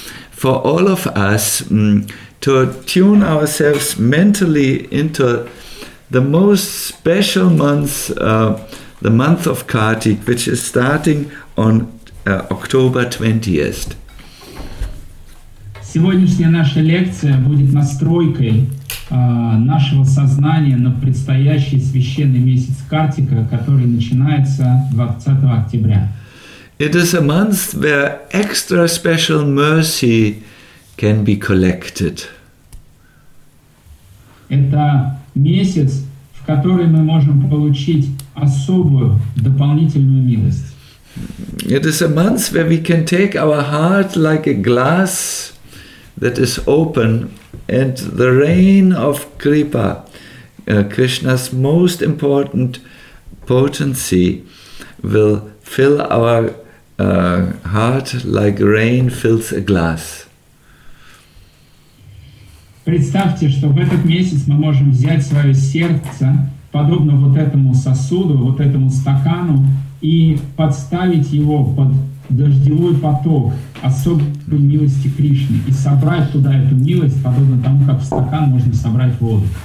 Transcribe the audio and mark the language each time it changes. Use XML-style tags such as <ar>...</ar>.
<en>for all of us to tune ourselves mentally into the most special month, the month of Kartik, which is starting on October 20th.</en> <ru>Сегодняшняя наша лекция будет настройкой нашего сознания на предстоящий священный месяц Картика, который начинается 20 октября.</ru> <en>It is a month where extra special mercy can be collected.</en> <ru>Это месяц, в который мы можем получить особую дополнительную милость.</ru> <en>It is a month where we can take our heart like a glass that is open, and the rain of Kripa, Krishna's most important potency, will fill our heart like rain fills a glass.</en> <ru>Представьте, что в этот месяц мы можем взять свое сердце, подобно вот этому сосуду, вот этому стакану, и подставить его под дождевой поток особой милости Кришны и собрать туда эту милость, подобно тому, как в стакан можно собрать воду.</ru>